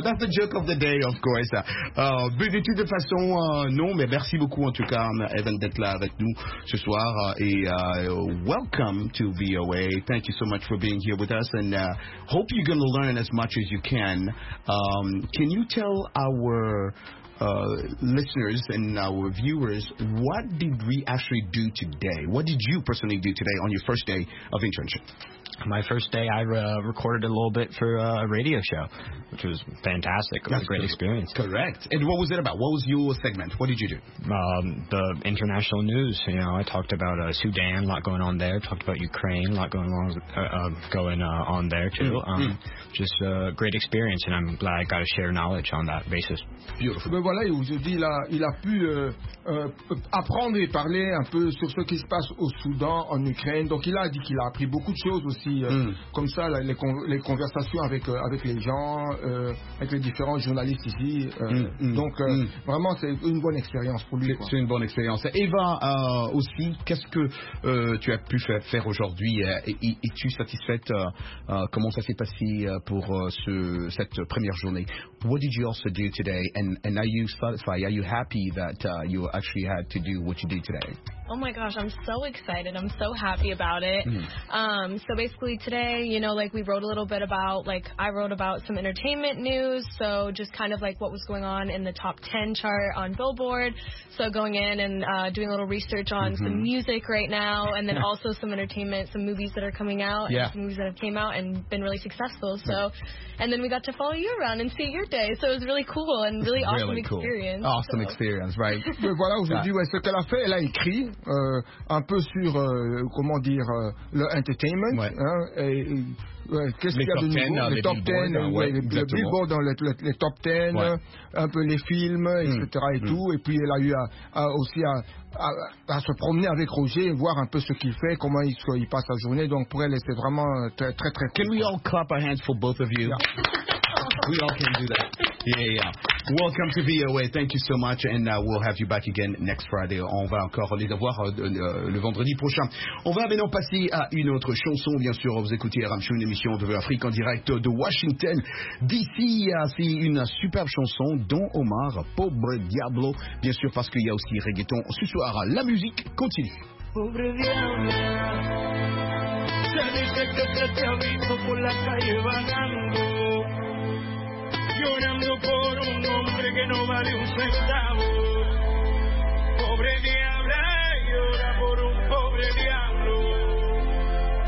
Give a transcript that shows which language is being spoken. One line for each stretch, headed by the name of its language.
English: That's the joke of the day, of course.
French: Mais de toute façon, non, mais merci beaucoup en tout cas, Evan, d'être là avec nous ce soir.
English: Et welcome to VOA. Thank you so much for being here with us. And hope you're going to learn as much as you can. Can you tell our listeners and our viewers, what did we actually do today? What did you personally do today on your first day of internship? My first day, I recorded a little bit for a radio show, which was fantastic. It was a great experience. Correct. And what was it about? What was your segment? What did you do? The international news. You know, I talked about Sudan, a lot going on there. Talked about Ukraine, a lot going on there, too. Just a great experience, and I'm glad I got to share knowledge on that basis. Beautiful.
French: Mais voilà, aujourd'hui, il a pu apprendre et parler un peu sur ce qui se passe au Soudan, en Ukraine. Donc, il a dit qu'il a appris beaucoup de choses aussi. Comme ça, les conversations avec les gens, avec les différents journalistes ici. Vraiment, c'est une bonne expérience pour lui. C'est une bonne expérience. Eva, aussi, qu'est-ce que tu as pu faire aujourd'hui? Es-tu satisfaite? Comment ça s'est passé pour cette première journée? What did you also do today? And are you satisfied? Are you happy that you actually had to do what you did today? Oh my gosh, I'm so excited. I'm so happy about it. So basically today, you know, like we wrote a little bit about, like I wrote about some entertainment news. So just kind of like what was going on in the top 10 chart on Billboard. So going in and doing a little research on some music right now. And then also some entertainment, some movies that are coming out. Yeah. And some movies that have came out and been really successful. So, and then we got to follow you around and see your day. So it was really cool and really awesome really cool. experience. Awesome so. Experience, right. Mais voilà, aujourd'hui, ce qu'elle a fait, elle a écrit. Un peu sur comment dire le entertainment qu'est-ce qu'il y a de nouveau les top 10 le billboard dans les top 10 un peu les films etc et tout et puis elle a eu à se promener avec Roger voir un peu ce qu'il fait comment il passe sa journée donc pour elle c'était vraiment très très, très
English: cool. Can we all clap our hands for both of you We all can do that. Yeah, yeah. Welcome to VOA. Thank you so much. And we'll have you back again next Friday.
French: On va encore les avoir le vendredi prochain. On va maintenant passer à une autre chanson. Bien sûr, vous écoutez Ramchou, une émission de Afrique en direct de Washington. D'ici, c'est une superbe chanson. Don Omar, Pobre Diablo. Bien sûr, parce qu'il y a aussi reggaeton. Ce soir, la musique continue. Pobre Diablo.
Spanish: Ya dije que te he visto por la calle vagando, llorando por un hombre que no vale un centavo. Pobre diabla, llora por un pobre diablo.